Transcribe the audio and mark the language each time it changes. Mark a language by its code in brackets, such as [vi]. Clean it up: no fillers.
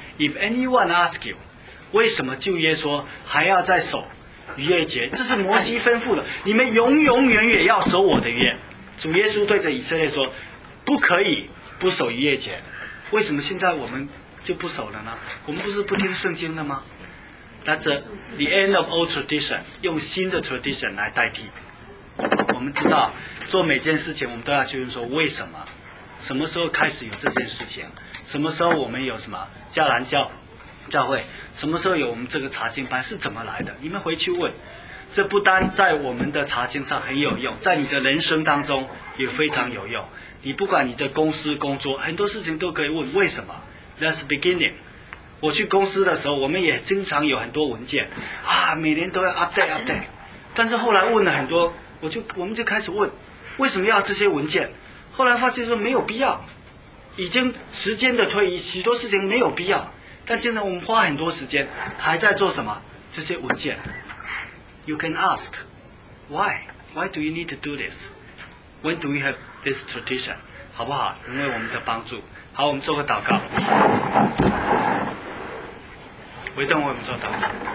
[en] If anyone ask you [zh] 为什么旧约说还要再守逾越节，这是摩西吩咐的，你们永永远远要守我的约。主耶稣对着以色列说，不可以不守逾越节。为什么现在我们就不守了呢？我们不是不听圣经的吗？ [en] That's the end of old tradition， [zh] 用新的 tradition 来代替。我们知道做每件事情我们都要去问说为什么，什么时候开始有这件事情，什么时候我们有什么迦南教教会，什么时候有我们这个查经班，是怎么来的，你们回去问。这不单在我们的查经上很有用，在你的人生当中也非常有用。你不管你的公司工作，很多事情都可以问为什么。 [en] That's the beginning。 [zh] 我去公司的时候，我们也经常有很多文件啊，每年都要 update， 但是后来问了很多，我们就开始问为什么要这些文件，后来发现说没有必要，已经时间的推移，许多事情没有必要，但现在我们花很多时间还在做什么，这些文件。 [en] You can ask why do you need to do this, when do we have this tradition, [zh] 好不好，因为我们的帮助。好，我们做个祷告，回动我们做祷告。